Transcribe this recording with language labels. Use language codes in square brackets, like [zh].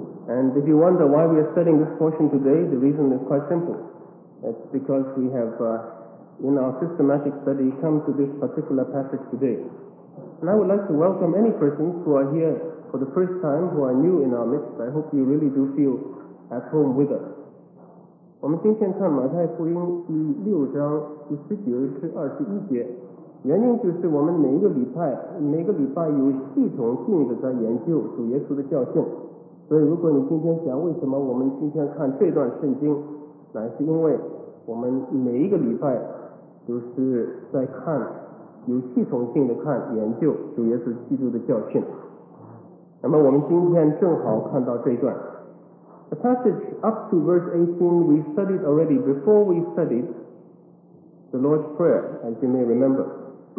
[en] And if you wonder why we are studying this portion today, the reason is quite simple. It's because we have, in our systematic study, come to this particular passage today. And I would like to welcome any persons who are here for the first time, who are new in our midst. I hope you really do feel at home with us. [zh] 我们今天看马太福音第六章第十九至二十一节，原因就是我们每个礼拜有系统性的在研究主耶稣的教训。所以如果你今天想为什么我们今天看这段圣经，乃是因为我们每一个礼拜都是在看，有系统性的看研究主耶稣基督的教训。那么我们今天正好看到这段。 [en] The passage up to verse 18 we studied already before we studied the Lord's Prayer, as you may remember.